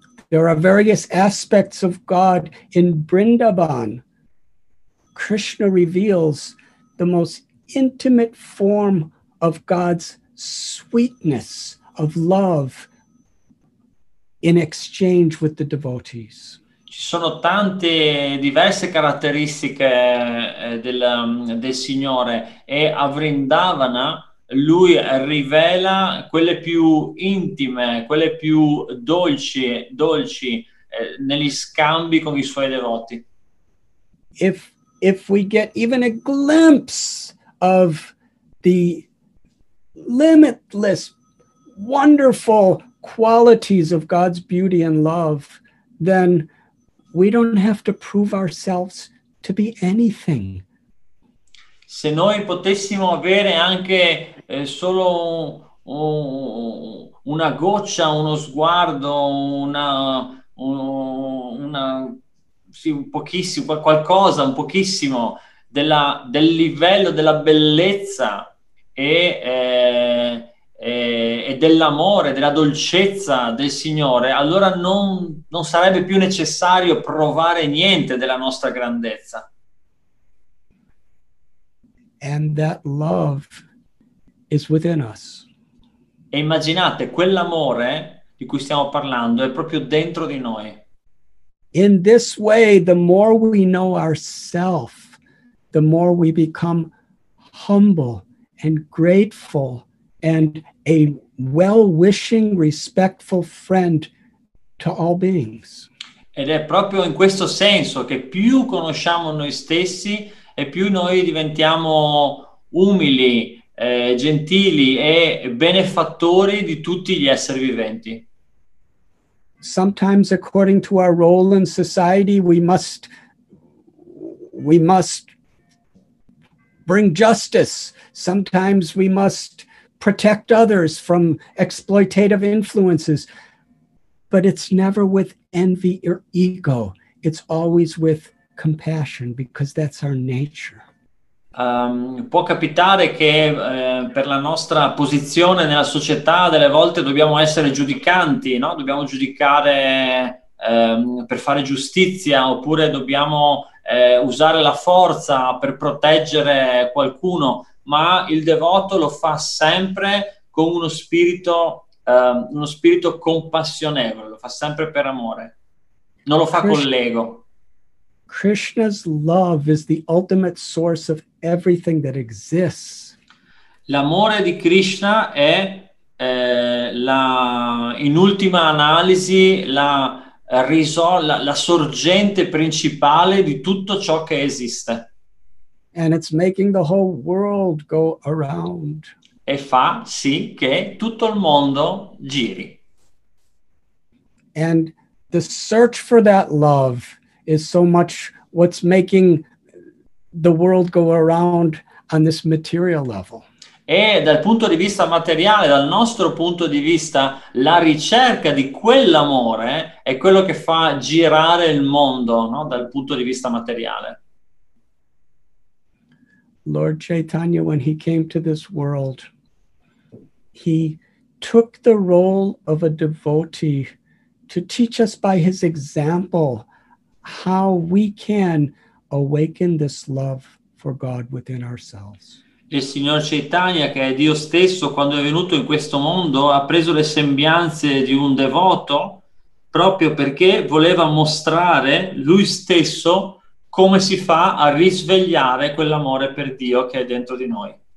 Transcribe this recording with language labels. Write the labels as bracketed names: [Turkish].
[English] There are various aspects of God in Vrindavan. Krishna reveals the most intimate form of God's sweetness of love in exchange with the devotees. [Italian] Ci sono tante diverse caratteristiche del Signore e a Vrindavana Lui rivela quelle più intime, quelle più dolci negli scambi con i suoi devoti. [English] If we get even a glimpse of the limitless, wonderful qualities of God's beauty and love, then we don't have to prove ourselves to be anything. [Italian] Se noi potessimo avere anche solo una goccia, uno sguardo, un pochissimo del livello della bellezza e dell'amore, della dolcezza del Signore, allora non sarebbe più necessario provare niente della nostra grandezza. [English] And that love is within us. [Italian] E immaginate, quell'amore di cui stiamo parlando è proprio dentro di noi. [English] In this way, the more we know ourselves, the more we become humble and grateful and a well-wishing, respectful friend to all beings. [Italian] Ed è proprio in questo senso che più conosciamo noi stessi e più noi diventiamo umili, gentili e benefattori di tutti gli esseri viventi. [English] Sometimes according to our role in society we must bring justice. Sometimes we must protect others from exploitative influences. But it's never with envy or ego. It's always with compassion because that's our nature. [Italian] Può capitare che per la nostra posizione nella società delle volte dobbiamo essere giudicanti, no? Dobbiamo giudicare per fare giustizia oppure dobbiamo usare la forza per proteggere qualcuno, ma il devoto lo fa sempre con uno spirito compassionevole, lo fa sempre per amore, non lo fa con l'ego. [English] Krishna's love is the ultimate source of everything that exists. [Italian] L'amore di Krishna è in ultima analisi la la sorgente principale di tutto ciò che esiste. [English] And it's making the whole world go around. [Italian] E fa sì che tutto il mondo giri. [English] And the search for that love is so much what's making the world go around on this material level. [Italian] E dal punto di vista materiale, dal nostro punto di vista, la ricerca di quell'amore è quello che fa girare il mondo, no? Dal punto di vista materiale. [English] Lord Chaitanya, when he came to this world, he took the role of a devotee to teach us by his example how we can awaken this love for God within ourselves. [Italian] Il Signor Chaitanya, che è Dio stesso, quando è venuto in questo mondo, ha preso le sembianze di un devoto proprio perché voleva mostrare lui stesso come si fa a risvegliare quell'amore per Dio che è dentro di noi.